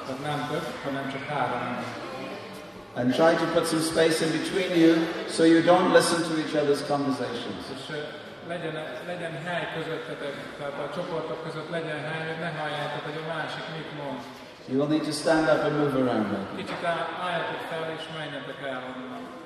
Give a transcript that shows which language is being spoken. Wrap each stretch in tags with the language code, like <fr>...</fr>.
<hu>Tehát nem több, hanem csak harem.</hu> <en>And try to put some space in between you, so you don't listen to each other's conversations.</en> <hu>És legyen hely közöttetek, tehát a csoportok között legyen hely, hogy ne halljátok, hogy a másik mit mond.</hu> <en>You will need to stand up and move around.</en> <hu>Kicsit álljátok fel, és menjetek el onnan.</hu>